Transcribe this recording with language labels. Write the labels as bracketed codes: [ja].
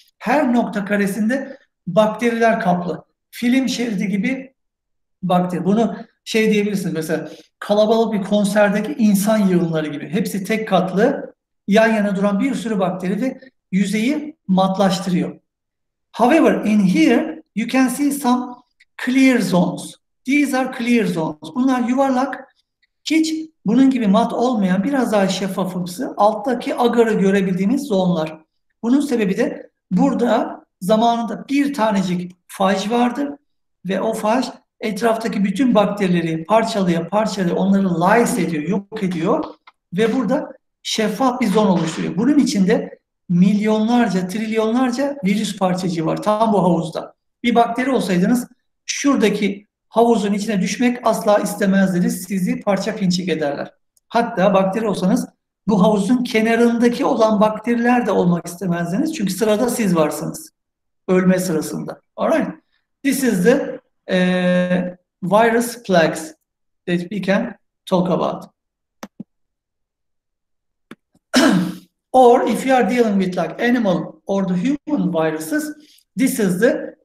[tr] Her nokta karesinde bakteriler kaplı. Film şeridi gibi bakteri. Bunu şey diyebilirsiniz mesela kalabalık bir konserdeki insan yığınları gibi. Hepsi tek katlı, yan yana duran bir sürü bakteri de yüzeyi matlaştırıyor. [en] However, in here you can see some clear zones. These are clear zones. [tr] Bunlar yuvarlak, hiç bunun gibi mat olmayan, biraz daha şeffafımsı, alttaki agarı görebildiğimiz zonlar. Bunun sebebi de burada zamanında bir tanecik faj vardı ve o faj etraftaki bütün bakterileri parçalıyor, onları lyse ediyor, yok ediyor ve burada şeffaf bir zon oluşturuyor. Bunun içinde milyonlarca, trilyonlarca virüs parçacığı var tam bu havuzda. Bir bakteri olsaydınız şuradaki havuzun içine düşmek asla istemezdiniz. Sizi parça pinçik ederler. Hatta bakteri olsanız bu havuzun kenarındaki olan bakteriler de olmak istemezdiniz. Çünkü sırada siz varsınız. Ölme sırasında. Alright. [en] This is the virus plaques that we can talk about. Or if you are dealing with like animal or the human viruses, this is the